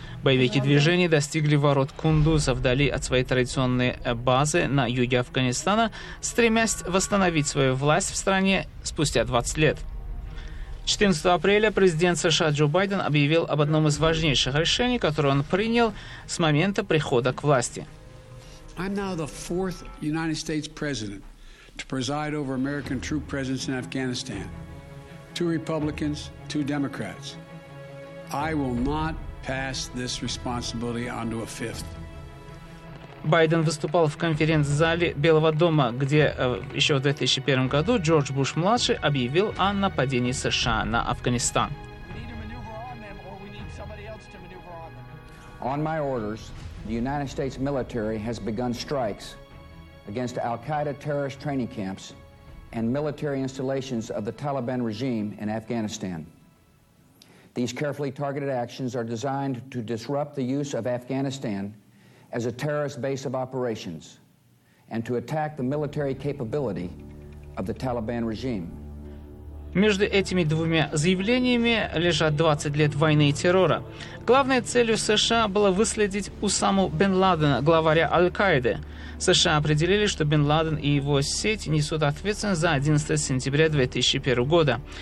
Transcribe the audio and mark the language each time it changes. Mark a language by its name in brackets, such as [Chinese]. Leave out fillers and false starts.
[Russian] Боевики движения достигли ворот Кундуза вдали от своей традиционной базы на юге Афганистана, стремясь восстановить свою власть в стране спустя 20 лет. 14 апреля президент США Джо Байден объявил об одном из важнейших решений, которое он принял с момента прихода к власти. [English] I'm now the fourth United States president to preside over American troop presence in Afghanistan. Two Republicans, two Democrats. I will not pass this responsibility on to a fifth. [Russian] Байден выступал в конференц-зале Белого дома, где еще в 2001 году Джордж Буш-младший объявил о нападении США на Афганистан. [English] On my orders, the United States military has begun strikes against Al-Qaeda terrorist training camps and military installations of the Taliban regime in Afghanistan. These carefully targeted actions are designed to disrupt the use of Afghanistan as a terrorist base of operations and to attack the military capability of the Taliban regime. [Russian] Между этими двумя заявлениями лежат 20 лет войны и террора. Главной целью США было выследить Усаму бен Ладена, главаря Аль-Каиды. США определили, что бен Ладен и его сеть несут ответственность за 11 сентября 2001 года.